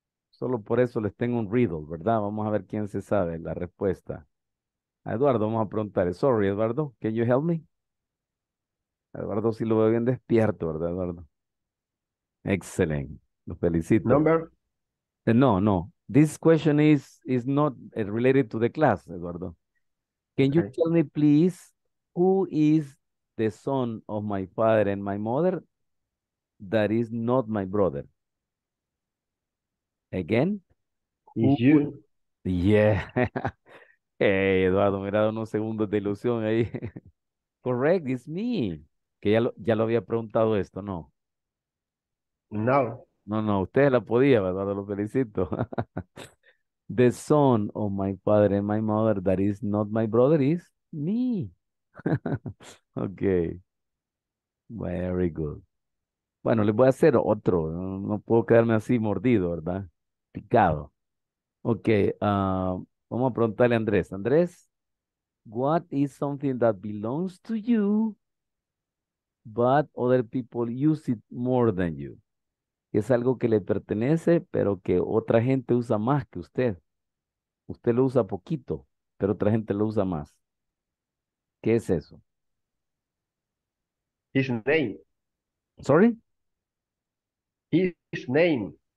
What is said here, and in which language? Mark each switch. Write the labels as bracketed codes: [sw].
[es] Solo por eso les tengo un riddle, ¿verdad? Vamos a ver quién se sabe la respuesta. A Eduardo, vamos a preguntar. [en] Sorry, Eduardo, can you help me? [es] Eduardo sí lo veo bien despierto, ¿verdad, Eduardo? Excelente. Lo felicito. [en] Number. No, no. This question is not related to the class, Eduardo. Can you tell me, please, who is the son of my father and my mother that is not my brother? Again? Is you. Yeah. [es] Hey, Eduardo, me he dado unos segundos de ilusión ahí. [en] Correct, it's me. [es] Que ya lo había preguntado esto, ¿no? No. No, no, usted la podía, Eduardo, lo felicito. [en] The son of my father and my mother that is not my brother is me. Okay. Very good. [es] Bueno, les voy a hacer otro. No puedo quedarme así mordido, ¿verdad? Picado. Okay. Vamos a preguntarle a Andrés. [en] Andrés, what is something that belongs to you, but other people use it more than you? [es] Es algo que le pertenece, pero que otra gente usa más que usted. Usted lo usa poquito, pero otra gente lo usa más. ¿Qué es eso? [en] His name. Sorry? His name.